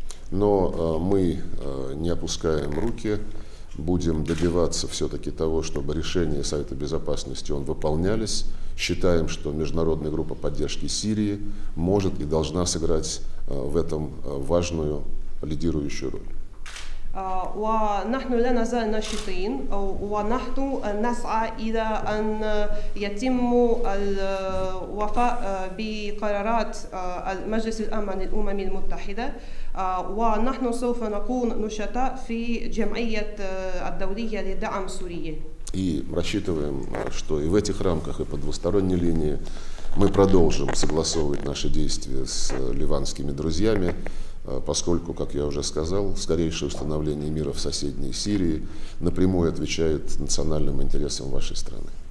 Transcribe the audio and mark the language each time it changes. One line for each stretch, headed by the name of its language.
Russian: Но мы не опускаем руки, будем добиваться все-таки того, чтобы решения Совета Безопасности он выполнялись. Считаем, что международная группа поддержки Сирии может и должна сыграть в этом важную лидирующую роль.
Arabic: ونحن لا نزال نشطين، ونحن نسعى إلى أن يتم الوفاء بقرارات مجلس الأمن الأمم المتحدة، ونحن سوف نكون نشطاء في جمعية الدولية لدعم سوريا.
Russian: И рассчитываем, что и в этих рамках, и по двусторонней линии мы продолжим согласовывать наши действия с ливанскими друзьями. Поскольку, как я уже сказал, скорейшее установление мира в соседней Сирии напрямую отвечает национальным интересам вашей страны.